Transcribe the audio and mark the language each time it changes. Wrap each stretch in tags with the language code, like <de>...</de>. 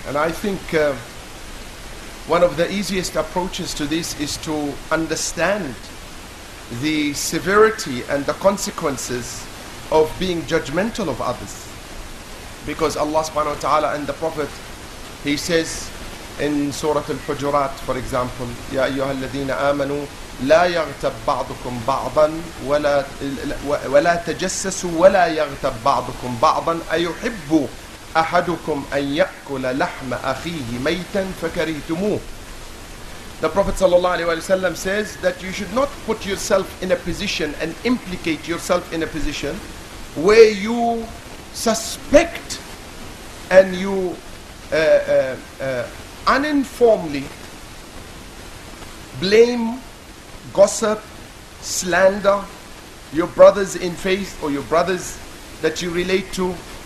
<en>And I think one of the easiest approaches to this is to understand the severity and the consequences of being judgmental of others. Because Allah subhanahu wa ta'ala and the Prophet, he says in Surah Al-Hujurat, for example,</en> <ar>يَا أَيُّهَا الَّذِينَ آمَنُوا لَا يَغْتَبْ بَعْضُكُمْ بَعْضًا وَلَا تَجَسَّسُوا وَلَا يَغْتَبْ بَعْضُكُمْ بَعْضًا أَيُحِبُّوا أَحَدُكُمْ أَن يَأْكُلَ لَحْمَ أَخِيهِ مَيْتًا فَكَرِهْتُمُوهُ.</ar> <en>The Prophet ﷺ says that you should not put yourself in a position and implicate yourself in a position where you suspect and you uninformedly blame, gossip, slander your brothers in faith or your brothers that you relate to.</en>